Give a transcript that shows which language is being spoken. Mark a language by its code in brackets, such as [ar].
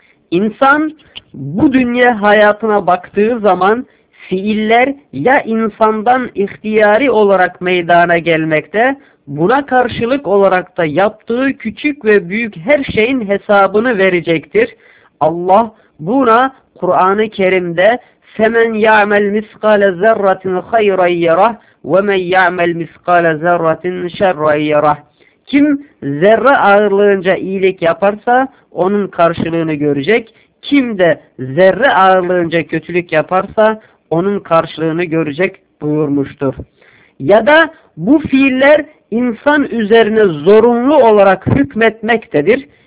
[tr] İnsan bu dünya hayatına baktığı zaman fiiller ya insandan ihtiyari olarak meydana gelmekte, buna karşılık olarak da yaptığı küçük ve büyük her şeyin hesabını verecektir. Allah buna Kur'an-ı Kerim'de [ar] فَمَنْ يَعْمَلْ مِسْقَالَ زَرَّةٍ خَيْرًا يَرَهْ وَمَنْ يَعْمَلْ مِسْقَالَ زَرَّةٍ شَرًّا يَرَهْ. [tr] Kim zerre ağırlığınca iyilik yaparsa onun karşılığını görecek. Kim de zerre ağırlığınca kötülük yaparsa onun karşılığını görecek buyurmuştur. Ya da bu fiiller insan üzerine zorunlu olarak hükmetmektedir.